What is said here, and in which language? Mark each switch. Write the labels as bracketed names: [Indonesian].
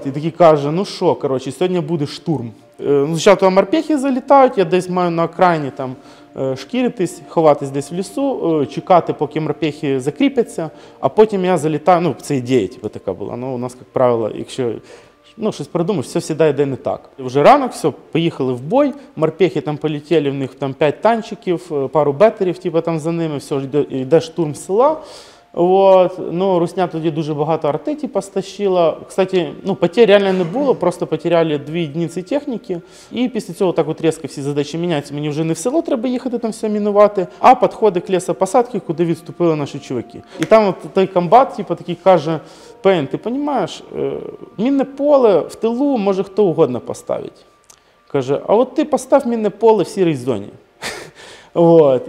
[Ukrainian] І такий каже: ну що, коротше, сьогодні буде штурм. Звичайно, туди морпехи залітають, я десь маю на окраїні там шкіритись, ховатись десь в лісу, чекати, поки морпехи закріпляться, а потім я залітаю, ну, це ідея типу, така була, ну, у нас, як правило, якщо ну, щось придумаєш, все всідає, де не так. Вже ранок, все, поїхали в бой, морпехи там полетіли, в них там 5 танчиків, пару беттерів, типу, там за ними, все, йде штурм села. От, ну, Русня тоді дуже багато артеті постащила. [Russian] Кстати, ну, потерь реально не було, просто потеряли 2 единицы техніки. [Ukrainian] І після цього так от резко всі задачі міняються. Мені вже не в село треба їхати там все мінувати, а підходи к лісопосадки, куди відступили наші чуваки. І там от той комбат, типу, такий каже: «Пейн, ти розумієш, мінне поле в тилу може хто угодно поставити». Каже: «А от ти постав мінне поле в сірій зоні». От.